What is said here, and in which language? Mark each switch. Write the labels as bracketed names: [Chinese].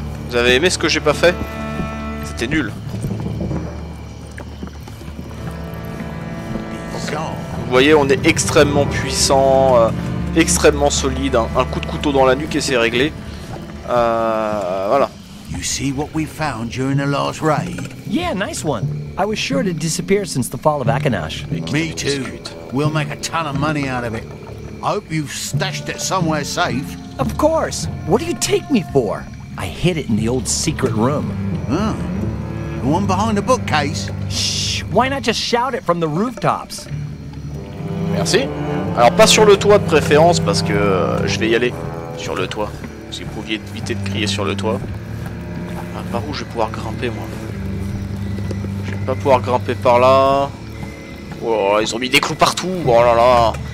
[French] Vous avez aimé ce que j'ai pas fait? C'était nul. Vous voyez, on est extrêmement puissant, extrêmement solide. Un coup de couteau dans la nuque et c'est réglé. Voilà. [English] You see what we found during the last raid? Yeah, nice one. I was sure to disappear since the fall of Akanash. Me too. We'll make a ton of money out of it. I hope you've stashed it somewhere safe. Of course. What do you take me for? I hid it in the old secret room. Oh. The one behind the bookcase. Shh. Why not just shout it from the rooftops? [French] Merci. Alors pas sur le toit de préférence parce que je vais y aller. Sur le toit. Si vous pouviez éviter de crier sur le toit. Ah, par où je vais pouvoir grimper moi? Pas pouvoir grimper par là. Oh, ils ont mis des clous partout. Oh là là.